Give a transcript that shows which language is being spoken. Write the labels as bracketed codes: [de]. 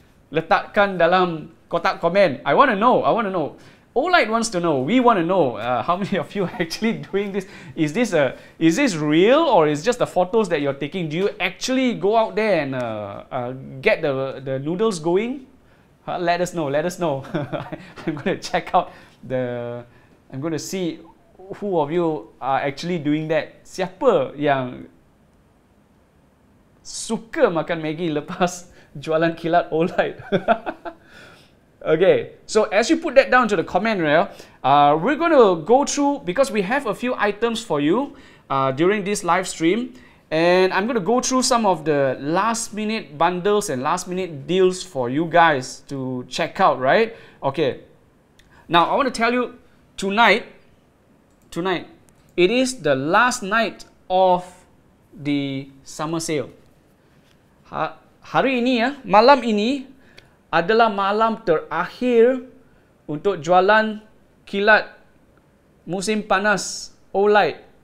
[ms] Letakkan dalam kotak komen. [en] I want to know. Olight wants to know. We want to know how many of you are actually doing this. Is this real or is just the photos that you're taking? Do you actually go out there and get the noodles going? Let us know. I'm going to see who of you are actually doing that. [ms] Siapa yang suka makan Maggi lepas jualan kilat Olight? [en] Okay, so as you put that down to the comment, right, we're going to go through, because we have a few items for you during this live stream. And I'm going to go through some of the last-minute bundles and last-minute deals for you guys to check out, right? Okay. Now, I want to tell you, tonight, it is the last night of the summer sale. [ms] Hari ini, malam ini adalah malam terakhir untuk jualan kilat musim panas Olight.